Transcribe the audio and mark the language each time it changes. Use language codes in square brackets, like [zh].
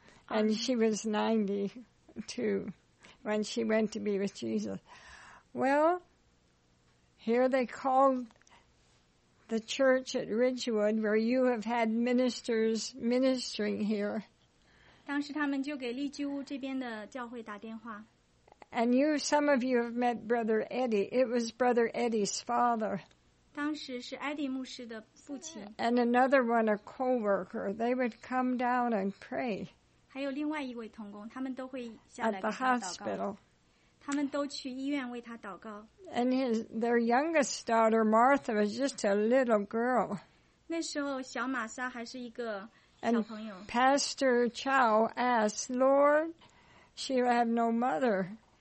[en] And she was 92 when she went to be with Jesus. Well, here they called the church at Ridgewood, where you have had ministers ministering here. [zh] 当时他们就给利基屋这边的教会打电话。 [en] And you, some of you have met Brother Eddie. It was Brother Eddie's father. [zh] 当时是Eddie牧师的父亲。 [en] And another one, a co-worker. They would come down and pray. [zh] 还有另外一位同工，他们都会下来给他祷告。 [en] At the hospital. [zh] 他们都去医院为他祷告。 [en] And their youngest daughter, Martha, was just a little girl. [zh] 那时候小玛莎还是一个小朋友。 [en] And Pastor Chow asked, Lord, she'll have no mother.